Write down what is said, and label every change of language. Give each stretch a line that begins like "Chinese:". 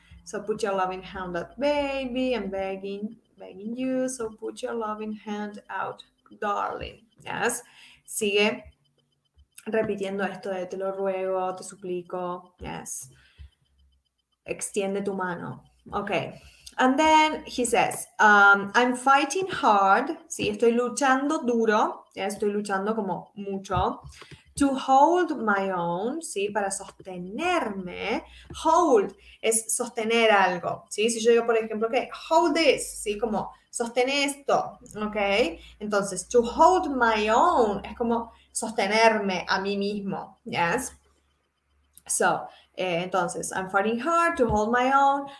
English: So put your loving hand out, baby, I'm begging, begging you. So put your loving hand out, darling. Yes.
Spanish: Sigue repitiendo esto de te lo ruego, te suplico.
English: Yes.
Spanish: Extiende tu mano. Okay.
English: And then he says, I'm fighting hard.
Spanish: Sí, estoy luchando duro.
English: Yes,
Spanish: estoy luchando como mucho.
English: To hold my own,
Spanish: ¿sí? Para sostenerme. Hold es sostener algo, ¿sí? Si yo digo, por ejemplo, ¿qué?
English: Hold this,
Spanish: ¿sí? Como sostén esto, ¿ok? Entonces,
English: to hold my own
Spanish: es como sostenerme a mí mismo,
English: ¿yes? So,
Spanish: entonces,
English: I'm fighting hard to hold my own.